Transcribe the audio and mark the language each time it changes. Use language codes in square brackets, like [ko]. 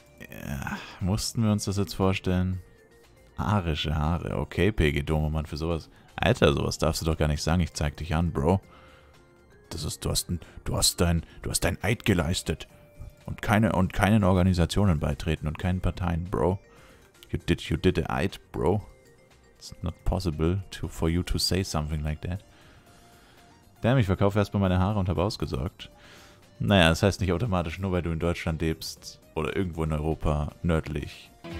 [de] Ja, mussten wir uns das jetzt vorstellen? Arische Haare, okay, PG-Domo, Mann, für sowas... Alter, sowas darfst du doch gar nicht sagen. Ich zeig dich an, Bro. Du hast dein Eid geleistet. Und keinen Organisationen beitreten und keinen Parteien, Bro. [en] You did the Eid, Bro. It's not possible for you to say something like that. [de] Damn, ich verkaufe erstmal meine Haare und habe ausgesorgt. Naja, das heißt nicht automatisch, nur weil du in Deutschland lebst oder irgendwo in Europa nördlich.